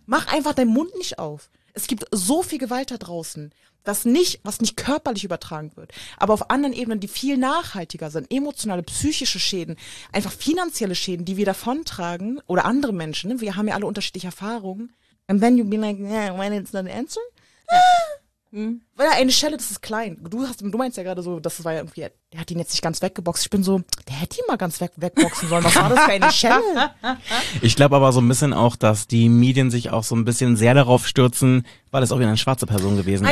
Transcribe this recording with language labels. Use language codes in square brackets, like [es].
[de] Mach einfach deinen Mund nicht auf. Es gibt so viel Gewalt da draußen, was nicht körperlich übertragen wird, aber auf anderen Ebenen, die viel nachhaltiger sind, emotionale, psychische Schäden, einfach finanzielle Schäden, die wir davontragen oder andere Menschen, ne? Wir haben ja alle unterschiedliche Erfahrungen. [en] And then you be like, yeah, when it's not an answer? [de] Weil eine Schelle, das ist klein. Du meinst ja gerade so, das war ja irgendwie, der hat ihn jetzt nicht ganz weggeboxt. Ich bin so, der hätte ihn mal ganz wegboxen sollen. Was war das für eine Schelle? Ich glaube aber so ein bisschen auch, dass die Medien sich auch so ein bisschen sehr darauf stürzen, weil es auch wieder eine schwarze Person gewesen ist.